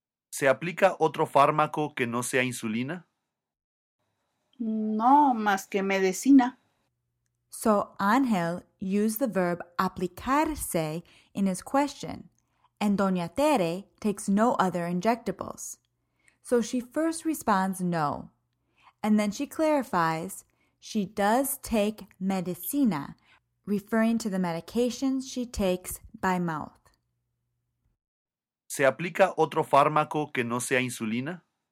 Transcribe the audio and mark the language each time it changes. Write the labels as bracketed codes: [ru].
[es] ¿Se aplica otro fármaco que no sea insulina? No, más que medicina. [en] So, Ángel used the verb aplicarse in his question, and Doña Tere takes no other injectables. So, she first responds no, and then she clarifies she does take medicina, referring to the medications she takes by mouth. [es] ¿Se aplica otro fármaco que no sea insulina?